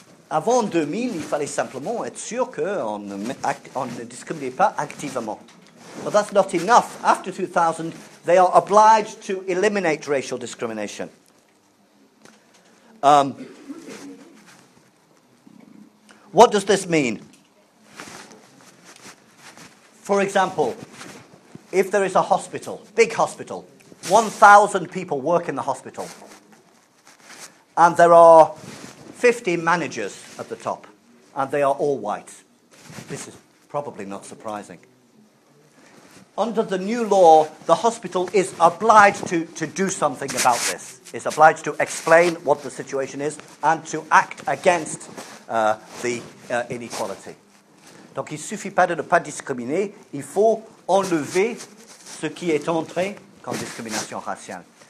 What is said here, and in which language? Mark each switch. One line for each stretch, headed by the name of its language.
French: Avant 2000, il fallait simplement être sûr qu'on ne discriminait pas activement.
English: But that's not enough. After 2000, they are obliged to eliminate racial discrimination. What does this mean? For example, if there is a hospital, big hospital, 1,000 people work in the hospital, and there are 50 managers at the top, and they are all white. This is probably not surprising. Under the new law, the hospital is obliged to do something about this. It's obliged to explain what the situation is and to act against the inequality.
French: Donc il suffit pas de ne pas discriminer, il faut enlever ce qui est entré comme discrimination raciale.